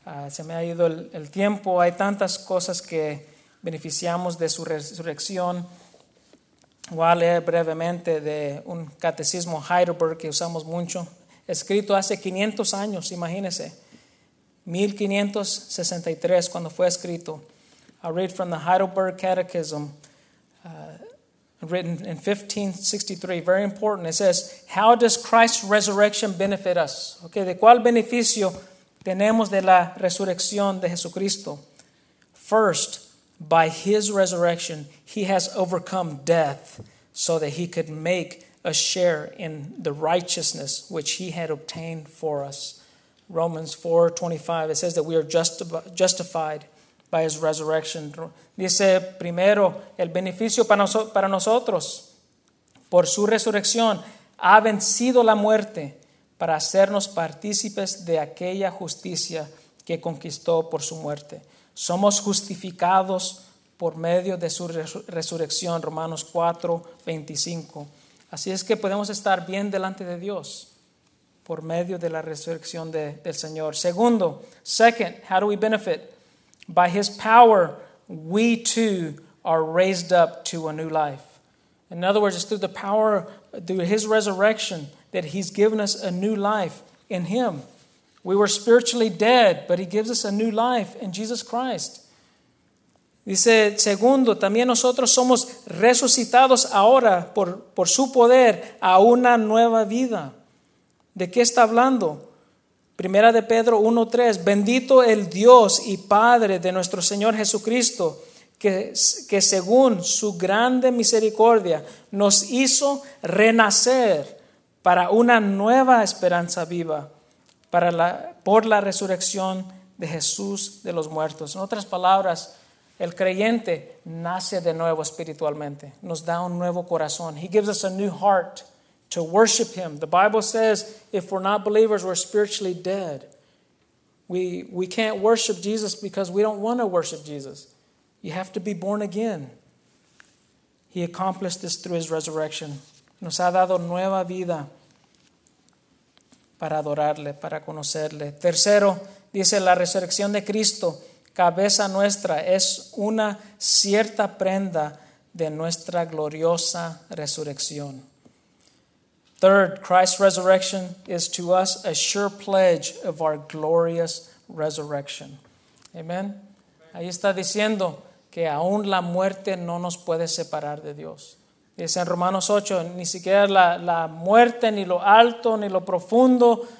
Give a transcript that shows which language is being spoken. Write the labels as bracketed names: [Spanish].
[Spanish] Se me ha ido el tiempo. Hay tantas cosas que beneficiamos de su resurrección. Voy a leer brevemente de un catecismo Heidelberg que usamos mucho, escrito hace 500 años, imagínense, 1563 cuando fue escrito. [English] I read from the Heidelberg Catechism, written in 1563. Very important. It says, "How does Christ's resurrection benefit us?" [Spanish] Okay, ¿de cuál beneficio tenemos de la resurrección de Jesucristo? [English] First, by his resurrection, he has overcome death so that he could make a share in the righteousness which he had obtained for us. Romans 4:25, it says that we are justified by his resurrection. [Spanish] Dice primero, el beneficio para nosotros, por su resurrección, ha vencido la muerte para hacernos partícipes de aquella justicia que conquistó por su muerte. Somos justificados por medio de su resurrección, Romanos 4:25. Así es que podemos estar bien delante de Dios por medio de la resurrección del Señor. [English] Second, how do we benefit? By his power, we too are raised up to a new life. In other words, it's through the power, through his resurrection, that he's given us a new life in him. We were spiritually dead, but he gives us a new life in Jesus Christ. [Spanish] Dice, segundo, también nosotros somos resucitados ahora por su poder a una nueva vida. ¿De qué está hablando? Primera de Pedro 1:3, bendito el Dios y Padre de nuestro Señor Jesucristo, que según su grande misericordia nos hizo renacer para una nueva esperanza viva por la resurrección de Jesús de los muertos. En otras palabras, el creyente nace de nuevo espiritualmente, nos da un nuevo corazón. [English] He gives us a new heart to worship him. The Bible says if we're not believers, we're spiritually dead. We can't worship Jesus because we don't want to worship Jesus. You have to be born again. He accomplished this through his resurrection. [Spanish] Nos ha dado nueva vida para adorarle, para conocerle. Tercero, dice, la resurrección de Cristo, cabeza nuestra, es una cierta prenda de nuestra gloriosa resurrección. [English] Third, Christ's resurrection is to us a sure pledge of our glorious resurrection. Amen. [Spanish] Ahí está diciendo que aún la muerte no nos puede separar de Dios. Dice en Romanos 8, ni siquiera la muerte, ni lo alto, ni lo profundo.